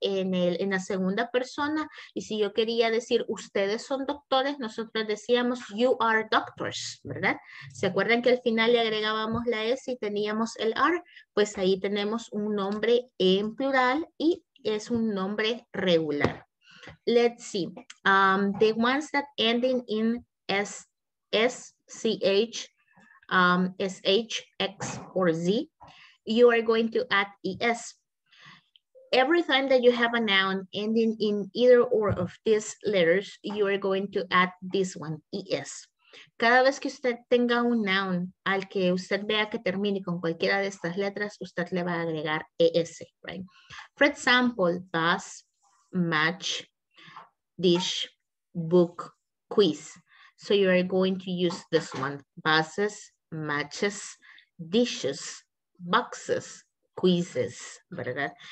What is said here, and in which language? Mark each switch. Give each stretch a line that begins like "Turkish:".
Spanish: En la segunda persona, y si yo quería decir ustedes son doctores, nosotros decíamos
English: you are doctors,
Spanish: ¿verdad? ¿Se acuerdan que al final le agregábamos la S y teníamos el are? Pues ahí tenemos un nombre en plural y es un nombre regular.
English: Let's see. The ones that ending in SH, X, or Z, you are going to add ES. Every time that you have a noun ending in either or of these letters, you are going to add this one, ES.
Spanish: Cada vez que usted tenga un noun al que usted vea que termine con cualquiera de estas letras, usted le va a agregar ES, right?
English: For example, bus, match, dish, book, quiz. So you are going to use this one, buses, matches, dishes, boxes, quizzes, ¿verdad?